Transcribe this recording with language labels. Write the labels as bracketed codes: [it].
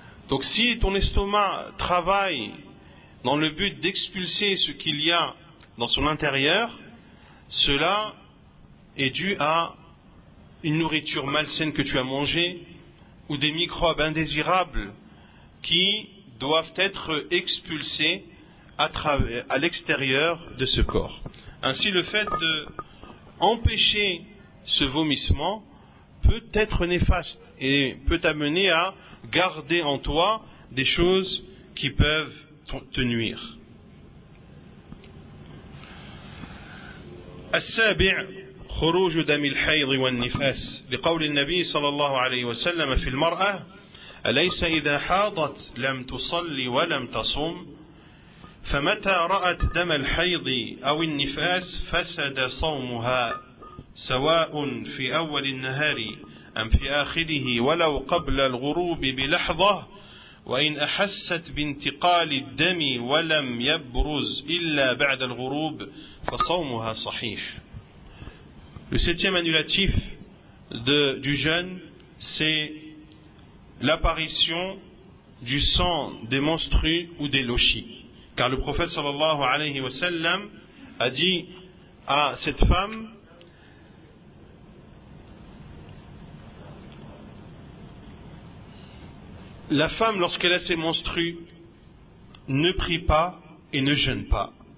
[fr] Donc si ton estomac travaille dans le but d'expulser ce qu'il y a dans son intérieur, cela est dû à une nourriture malsaine que tu as mangée ou des microbes indésirables qui doivent être expulsés à l'extérieur de ce corps. Ainsi, le fait d'empêcher ce vomissement peut être néfaste et peut t'amener à garder en toi des choses qui peuvent te nuire. [ar] السابع خروج دم الحيض والنفاس لقول النبي صلى الله عليه وسلم في المرأة أليس إذا حاضت لم تصلي ولم تصوم فمتى رأت دم الحيض أو النفاس فسد صومها سواء في أول النهار أم في آخره ولو قبل الغروب بلحظة وإن أحست بانتقال الدم ولم يبرز إلا بعد الغروب فصومها صحيح. [fr] Le septième annulatif du jeûne, c'est l'apparition du sang, des menstrues ou des lochies. Car le prophète sallallahu alayhi wa sallam a dit à cette femme: la femme, lorsqu'elle a ses menstrues, ne prie pas et ne jeûne pas.